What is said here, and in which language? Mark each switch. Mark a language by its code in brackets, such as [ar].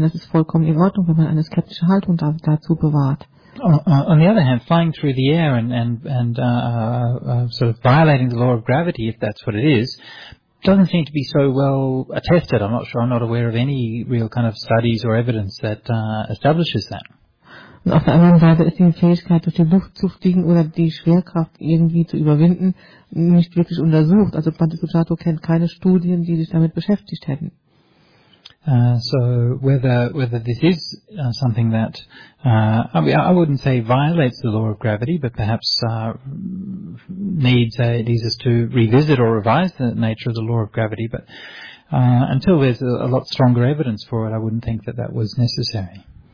[de] Das ist vollkommen in Ordnung, wenn man eine skeptische Haltung dazu bewahrt. [en] On the other hand, flying through the air and sort of violating the law of gravity, if that's what it is, doesn't seem to be so well attested. I'm not sure. I'm not aware of any real kind of studies or evidence that establishes that. [de] Und auf der anderen Seite ist die Fähigkeit, durch die Luft zu fliegen oder die Schwerkraft irgendwie zu überwinden, nicht wirklich untersucht. Also Bhattacharya kennt keine Studien, die sich damit beschäftigt hätten. [en] So whether this is something that I wouldn't say violates the law of gravity, but perhaps needs us to revisit or revise the nature of the law of gravity, but until there's a lot stronger evidence for it, I wouldn't think that that was necessary.